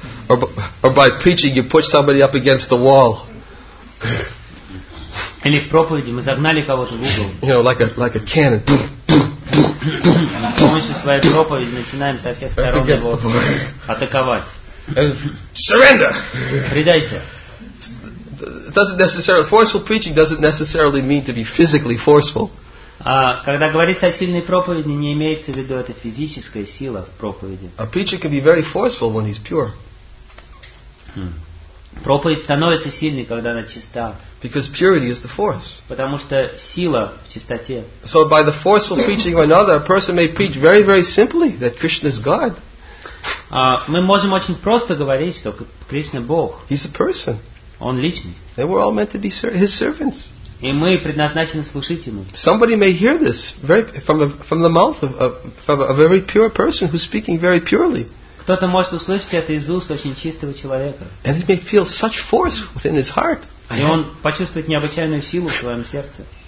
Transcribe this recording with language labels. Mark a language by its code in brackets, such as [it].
[en] Or by preaching, you push somebody up against the wall. [ru] Или в проповеди мы загнали кого-то в угол. [en] You know, like a cannon. [ru] С помощью своей проповеди начинаем со всех сторон его атаковать. [en] Surrender. [ru] Предайся. [en] It doesn't necessarily forceful preaching doesn't necessarily mean to be physically forceful. [ru] Когда говорится о сильной проповеди, не имеется в виду это физическая сила в проповеди. [en] A preacher can be very forceful when he's pure. [ru] Проповедь становится сильной, когда она чиста. [en] Because purity is the force. [ru] Потому что сила в чистоте. [en] So by the forceful preaching of another, a person may preach very, very simply that Krishna is God. [ru] Мы можем очень просто говорить, что Кришна Бог. [en] He's a person. [ru] Он личность. [en] They were all meant to be his servants. [ru] И мы предназначены служить ему. [en] Somebody may hear this very from the mouth of a very pure person who's speaking very purely. [ru] Кто-то может услышать это из уст очень чистого человека. [en] And he may feel such force within his heart. [ru] И он почувствует необычайную силу в своем сердце.